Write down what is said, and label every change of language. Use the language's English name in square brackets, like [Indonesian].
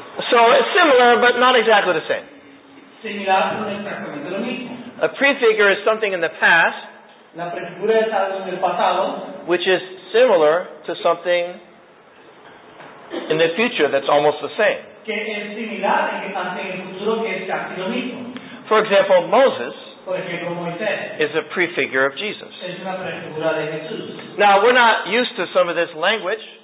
[English] So it's similar, but not exactly the same. [Spanish] Similar, pero no exactamente lo mismo. [English] A prefigure is something in the past, [Spanish] la prefigura es algo en el pasado, [English] which is similar to something in the future that's almost the same. [Spanish] Que es similar y que está en el futuro que es casi lo mismo. [English] For example, Moses [Spanish] ejemplo, [English] is a prefigure of Jesus. [Spanish] Es una prefigura de Jesús. [English] Now, we're not used to some of this language.